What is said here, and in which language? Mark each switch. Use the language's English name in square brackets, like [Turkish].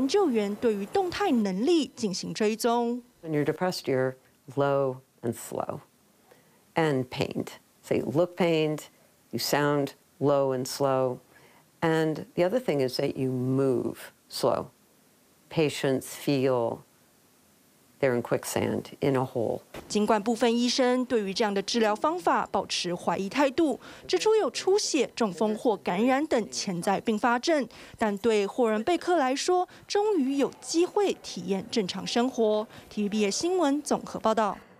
[Chinese] 霍伦贝克表示，手术完效果几乎是立即性的，但并非一劳永逸，还是需要药物等控制。现在会定期透过远端设备发送数据，并且录制影像回答关于情绪上的一系列问题，偶尔也会进入实验室，让研究员对于动态能力进行追踪。 [English] When you're depressed, you're low and slow, and pained. So you look pained, you sound low and slow. And the other thing is that you move slow. Patients feel they're in quicksand, in a hole. [Chinese] 尽管部分医生对于这样的治疗方法保持怀疑态度，指出有出血、中风或感染等潜在并发症，但对霍伦贝克来说，终于有机会体验正常生活。TVBS新闻综合报道。